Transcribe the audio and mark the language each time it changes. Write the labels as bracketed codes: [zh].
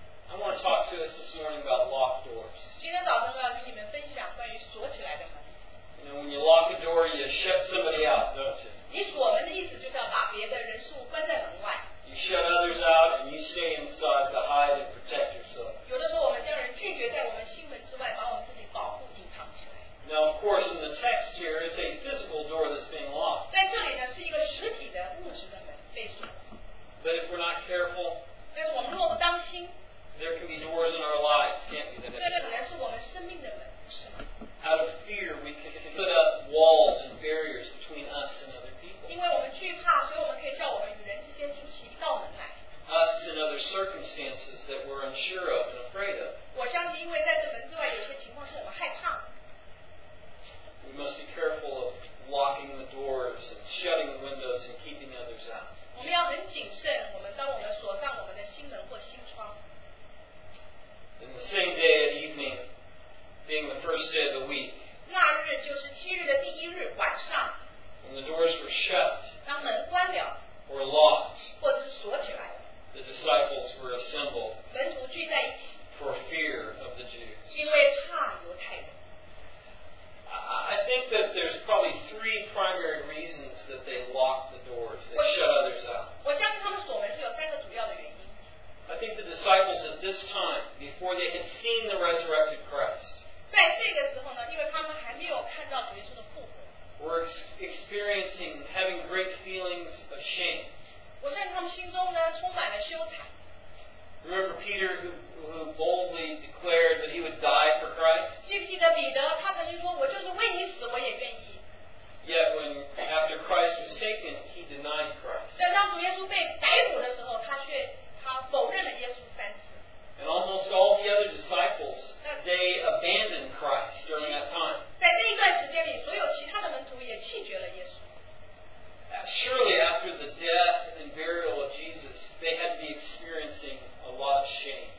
[en] I want to talk to us this morning about locked doors. [zh] 今天早上要与你们分享关于锁起来的门。 [en] You know, when you lock a door, you shut somebody out, don't you? [zh] 你锁门的意思就是要把别的人事物关在门外。 [en] You shut others out and you stay inside to hide and protect yourself. [zh] 有的时候我们将人拒绝在我们心门之外，把我们自己保护隐藏起来。 [en] Now, of course, in the text here, it's a physical door that's being locked. [zh] 在这里呢，是一个实体的物质的门被锁。 [en] But if we're not careful, [zh] 但是我们若不当心， [en] there can be doors in our lives, can't we? [zh] 这个本来是我们生命的门，不是吗？ [en] Out of fear, we can put up walls and barriers between us and other people. [zh] 因为我们惧怕，所以我们可以叫我们与人之间筑起一道门来。 [en] Us and other circumstances that we're unsure of and afraid of. [zh] 我相信，因为在这门之外，有些情况是我们害怕。 [en] We must be careful of locking the doors and shutting the windows and keeping others out. [zh] 我们要很谨慎，我们当我们锁上我们的心门或心窗。 [en] In the same day at evening. Being the first day of the week. [zh] 那日就 [en] the doors were shut, [zh] 当门关了, [en] were locked, [zh] 或者是锁起来, [en] the disciples were assembled, [zh] 门徒聚在一起, [en] for fear of the Jews. [zh] 因为怕犹太人。 [en] I think that there's probably three primary reasons that they locked the doors, they shut others out. [zh] 我相信他们锁门是有三个主要的原因。 [en] I think the disciples at this time, before they had seen the resurrected Christ, [zh] 在这个时候呢，因为他们还没有看到主耶稣的复活。 [en] Were experiencing having great feelings of shame. [zh] 我相信他们心中呢充满了羞耻。 [en] Remember Peter who boldly declared that he would die for Christ? [zh] 记不记得彼得他曾经说我就是为你死我也愿意。 [en] Yet when after Christ was taken, he denied Christ. [zh] 在当主耶稣被逮捕的时候，他否认了耶稣三次。 [en] And almost all the other disciples, they abandoned Christ during that time. [zh] 在那一段时间里，所有其他的门徒也弃绝了耶稣。 [en] Surely after the death and burial of Jesus, they had to be experiencing a lot of shame.